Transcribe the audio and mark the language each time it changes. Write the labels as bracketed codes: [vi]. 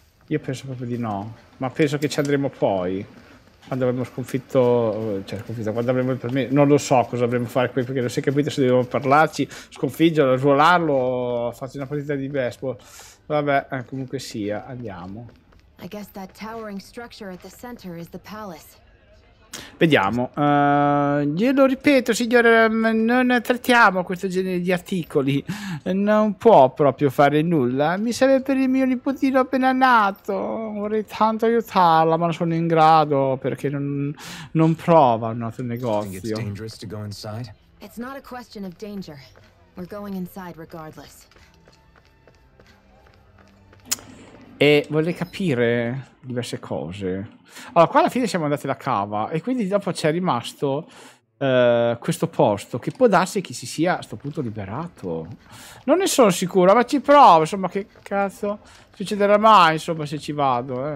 [it] Io penso proprio di no, ma penso che ci andremo poi, quando avremo sconfitto, cioè sconfitto, quando avremo il permesso, non lo so cosa dovremmo fare qui, perché non si è capito se dobbiamo parlarci, sconfiggerlo, svolarlo o farci una partita di baseball. Vabbè, comunque sia, andiamo. [en] I guess that towering structure at the center is the palace. [it] Vediamo, glielo ripeto signore, non trattiamo questo genere di articoli, non può proprio fare nulla, mi serve per il mio nipotino appena nato, vorrei tanto aiutarla ma non sono in grado perché non prova un altro negozio. [en] It's not a question of danger. We're going inside regardless. [it] E vorrei capire diverse cose. Allora, qua alla fine siamo andati alla cava e quindi dopo c'è rimasto questo posto che può darsi che si sia a sto punto liberato. Non ne sono sicuro, ma ci provo. Insomma, che cazzo succederà mai, insomma, se ci vado?